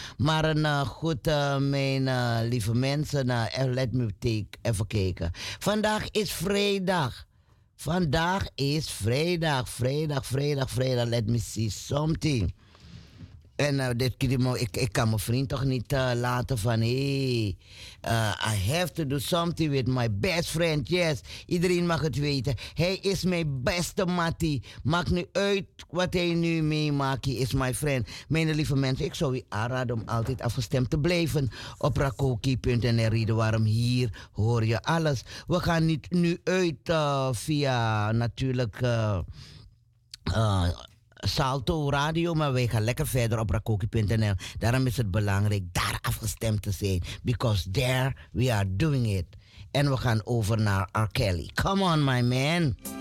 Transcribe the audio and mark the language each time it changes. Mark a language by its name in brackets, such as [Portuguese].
[Dutch] Maar mijn lieve mensen, let me even kijken. Vandaag is vrijdag. Vandaag is vrijdag. Vrijdag. [English] Let me see something. [Dutch] En ik kan mijn vriend toch niet laten van... [English] I have to do something with my best friend. [Dutch] Yes, iedereen mag het weten. Hij is mijn beste mattie. Maakt nu uit wat hij nu meemaakt. Hij is mijn friend. Mijn lieve mensen, ik zou u aanraden om altijd afgestemd te blijven. Op rakoki.nl, reden waarom hier hoor je alles. We gaan niet nu uit via natuurlijk... Salto Radio, maar wij gaan lekker verder op rakoki.nl. Daarom is het belangrijk daar afgestemd te zijn. [English] Because there we are doing it. [Dutch] En we gaan over naar R. Kelly. [English] Come on, my man.